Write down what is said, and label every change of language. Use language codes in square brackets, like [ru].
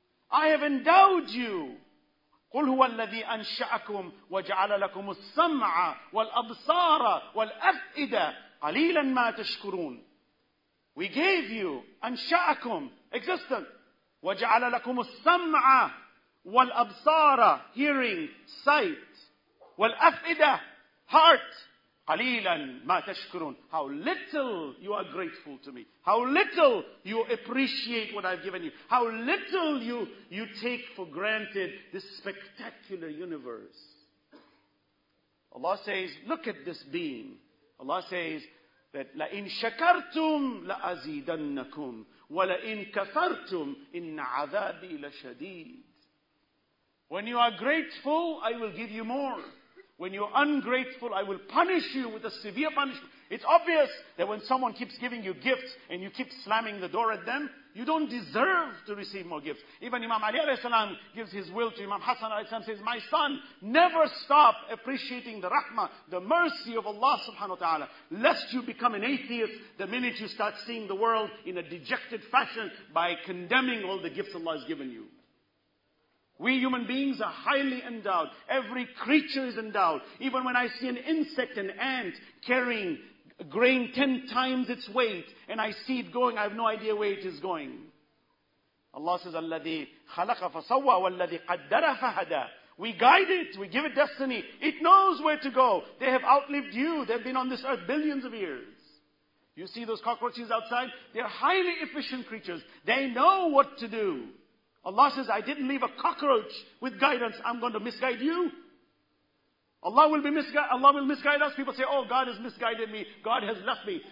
[en] I have endowed you. [ar] قُلْ هُوَ الَّذِي أَنْشَأَكُمْ وَجَعَلَ لَكُمُ السَّمْعَ وَالْأَبْصَارَ وَالْأَفْئِدَ قَلِيلًا مَا تَشْكُرُونَ. [en] We gave you, [ar] أَنْشَأَكُمْ, [en] existence. [ar] وَجَعَلَ لَكُمُ السَّمْعَ وَالْأَبْصَارَ, [en] hearing, sight. [ar] وَالْأَفْئِدَ, [en] heart. [ar] قَلِيلًا مَا تَشْكُرُونَ. [en] How little you are grateful to me. How little you appreciate what I've given you. How little you take for granted this spectacular universe. Allah says, look at this being. Allah says that [ar] لَإِن شَكَرْتُمْ لَأَزِيدَنَّكُمْ وَلَإِن كَفَرْتُمْ إِنَّ عَذَابِي لَشَدِيدٌ. [en] When you are grateful, I will give you more. When you're ungrateful, I will punish you with a severe punishment. It's obvious that when someone keeps giving you gifts and you keep slamming the door at them, you don't deserve to receive more gifts. Even Imam Ali alayhi salam gives his will to Imam Hassan alayhi salam, says, my son, never stop appreciating the rahmah, the mercy of Allah subhanahu wa ta'ala, lest you become an atheist the minute you start seeing the world in a dejected fashion by condemning all the gifts Allah has given you. We human beings are highly endowed. Every creature is endowed. Even when I see an insect, an ant, carrying grain 10 times its weight, and I see it going, I have no idea where it is going. Allah says, [ar] الَّذِي خَلَقَ فَصَوَّى وَالَّذِي قَدَّرَ فَهَدَى. [en] We guide it, we give it destiny. It knows where to go. They have outlived you. They've been on this earth billions of years. You see those cockroaches outside? They're highly efficient creatures. They know what to do. Allah says, I didn't leave a cockroach with guidance. I'm going to misguide you. Allah will misguide us. People say, oh, God has misguided me. God has left me.